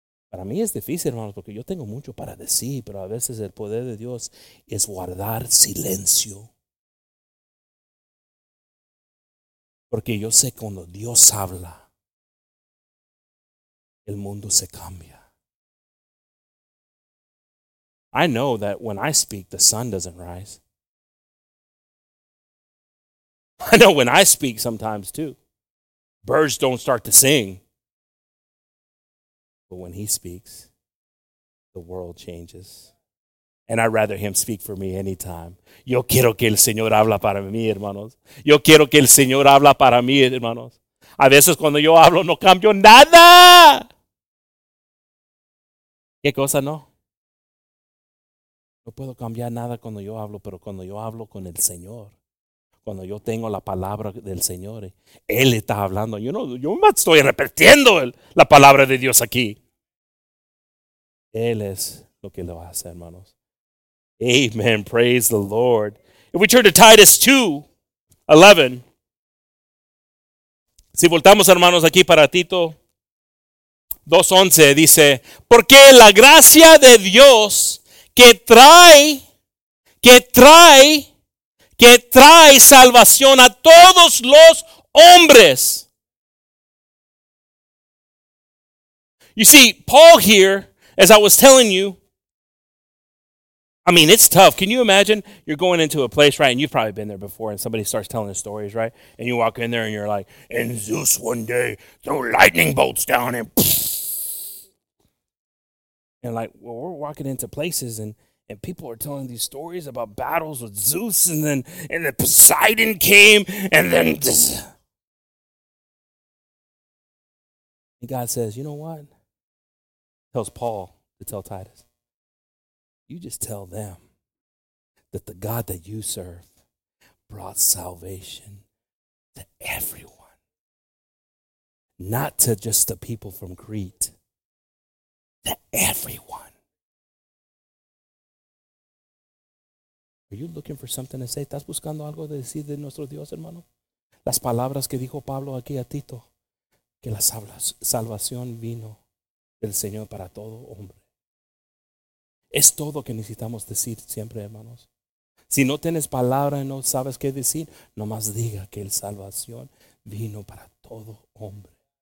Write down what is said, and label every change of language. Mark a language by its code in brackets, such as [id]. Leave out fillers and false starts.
[es] Para mí es difícil, hermanos, porque yo tengo mucho para decir, pero a veces el poder de Dios es guardar silencio. Porque yo sé cuando Dios habla, el mundo se cambia. [en] I know that when I speak, the sun doesn't rise. I know when I speak sometimes too, birds don't start to sing. But when he speaks, the world changes. And I'd rather him speak for me anytime. [es] Yo quiero que el Señor habla para mí, hermanos. Yo quiero que el Señor habla para mí, hermanos. A veces cuando yo hablo, no cambio nada. ¿Qué cosa no? No puedo cambiar nada cuando yo hablo, pero cuando yo hablo con el Señor, cuando yo tengo la palabra del Señor, él está hablando. [en] You know, [es] yo no estoy repitiendo la palabra de Dios aquí. Él es lo que lo hace, hermanos. Amen. [en] Praise the Lord. If we turn to Titus 2:11. [es] Si voltamos, hermanos, aquí para Tito 2:11, dice, porque la gracia de Dios que trae salvación a todos los hombres. [en] You see, Paul here, as I was telling you, I mean, it's tough. Can you imagine you're going into a place, right? And you've probably been there before, and somebody starts telling the stories, right? And you walk in there and you're like, and Zeus one day threw lightning bolts down and pfft. And like, well, we're walking into places and people are telling these stories about battles with Zeus and then Poseidon came and then this. And God says, you know what? Tells Paul to tell Titus. You just tell them that the God that you serve brought salvation to everyone. Not to just the people from Crete, to everyone. Are you looking for something to say? [es] ¿Estás buscando algo de decir de nuestro Dios, hermano? Las palabras que dijo Pablo aquí a Tito, que la salvación vino del Señor para todo hombre. Es todo que necesitamos decir siempre, hermanos. Si no tienes palabra y no sabes qué decir, nomás diga que la salvación vino para todo hombre.